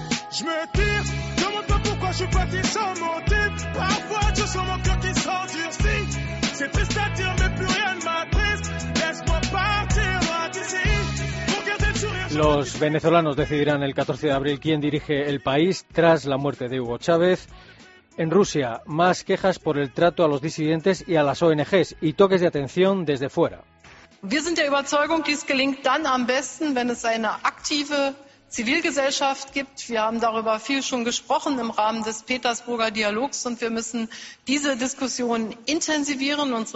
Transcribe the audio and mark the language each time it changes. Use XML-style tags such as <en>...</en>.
<fr>Je me tire, demande pas pourquoi je suis parti sans motif. Parfois je sens mon cœur qui s'endurcit. C'est triste à dire, mais plus rien ne m'attriste. Laisse-moi partir, moi d'ici.</fr> <es>Los venezolanos decidirán el 14 de abril quién dirige el país tras la muerte de Hugo Chávez. En Rusia, más quejas por el trato a los disidentes y a las ONGs y toques de atención desde fuera.</es> <de>Wir sind der Überzeugung, dies gelingt dann am besten, wenn es eine aktive Zivilgesellschaft gibt. Wir haben darüber viel schon gesprochen im Rahmen des Petersburger Dialogs und wir müssen diese Diskussion intensivieren.</de>